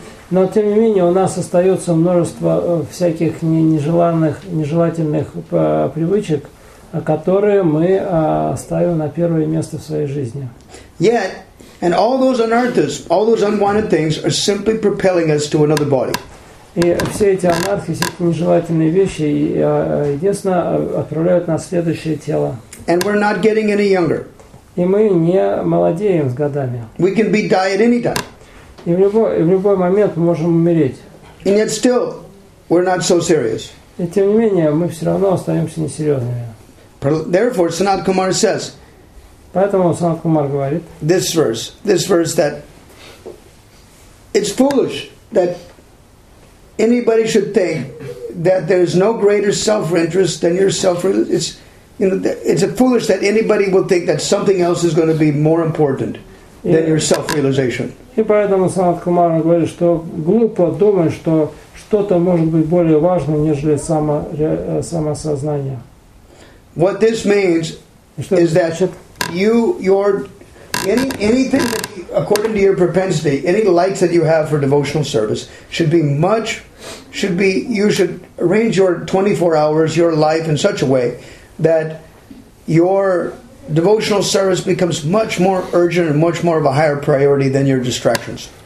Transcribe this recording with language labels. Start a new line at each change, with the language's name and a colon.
Russian: Но тем не менее у нас остается множество всяких нежеланных, нежелательных привычек, которые мы ставим на первое место в своей жизни.
English: Yet, and all those anarthas, all those unwanted things are simply propelling us to another body.
Russian: И все эти анархи, все эти нежелательные вещи, единственно, отправляют нас в следующее тело.
English: And we're not getting any younger.
Russian: И мы не молодеем с годами.
English: We can be died anytime.
Russian: И в любой момент мы можем умереть.
English: And yet still, we're not so serious.
Russian: И тем не менее, мы все равно остаемся несерьезными.
English: Therefore, Sanat Kumar says,
Russian: поэтому Санат Кумар говорит,
English: this verse that it's foolish that anybody should think that there is no greater self-interest than yourself. It's a foolish that anybody will think that something else is going to be more important than your self-realization.
Russian: И поэтому Санат Кумар говорит, что глупо думать, что что-то может быть более важным, нежели самосознание.
English: What this means is that anything that you, according to your propensity, any likes that you have for devotional service should arrange your 24 hours, your life in such a way that your devotional service becomes much more urgent and much more of a higher priority than your distractions.